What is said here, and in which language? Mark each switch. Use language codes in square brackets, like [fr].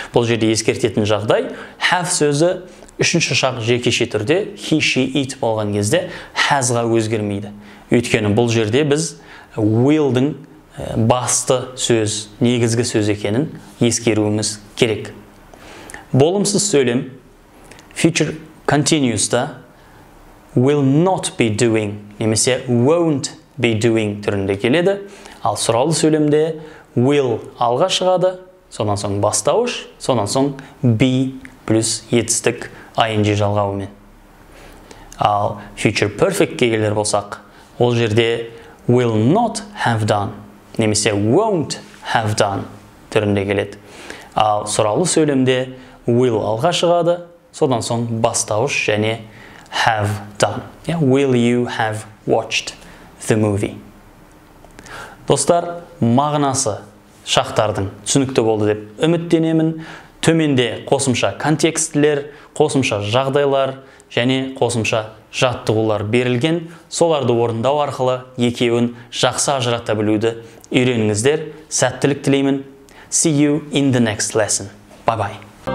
[kk] Бұл жерде ескертетін жағдай, have сөзі үшінші шақ жекеше түрде he, she, it болған кезде has-ға өзгермейді. Өйткені бұл жерде біз will-дің басты сөз, негізгі сөз екенін ескеруіміз керек. Болымсыз сөйлем future continuous-та [en] will not be doing, [kk] немесе [en] won't be doing [kk] түрінде келеді. Ал сұраулы сөйлемде will алға шығады, сонан соң бастауыш, сонан соң be плюс етістік ing жалғауымен. Ал future perfect-ке келер болсақ, ол жерде [en] will not have done, [kk] немесе [en] won't have done [kk] түрінде келеді. Ал сұраулы сөйлемде will алға шығады, содан соң бастауыш және [en] have done. Will you have watched the movie? [kk] Достар, мағынасы шақтардың түсінікті болды деп үміттенемін. Төменде қосымша контекстілер, қосымша жағдайлар және қосымша жаттығулар берілген, соларды орындау арқылы екеуін жақсы ажырата білуді үйреніңіздер. Сәттілік тілеймін. [en] See you in the next lesson. Bye-bye.